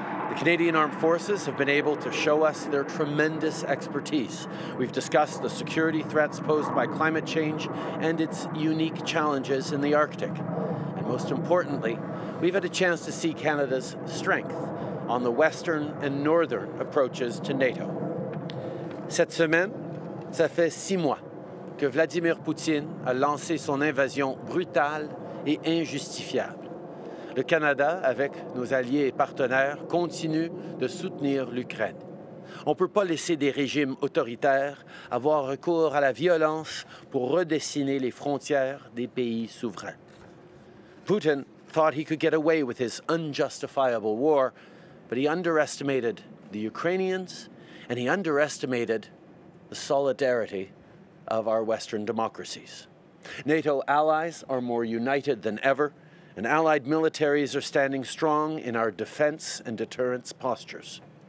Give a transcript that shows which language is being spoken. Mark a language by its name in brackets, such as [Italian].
[English] The Canadian Armed Forces have been able to show us their tremendous expertise. We've discussed the security threats posed by climate change and its unique challenges in the Arctic. And most importantly, we've had a chance to see Canada's strength on the Western and Northern approaches to NATO. [French] Cette semaine, ça fait six mois que Vladimir Poutine a lancé son invasion brutale et injustifiable. Le Canada, avec nos alliés et partenaires, continue de soutenir l'Ukraine. On ne peut pas laisser des régimes autoritaires avoir recours à la violence pour redessiner les frontières des pays souverains. [English] Putin thought he could get away with his unjustifiable war, but he underestimated the Ukrainians and he underestimated the solidarity of our Western democracies. NATO allies are more united than ever, and allied militaries are standing strong in our defense and deterrence postures.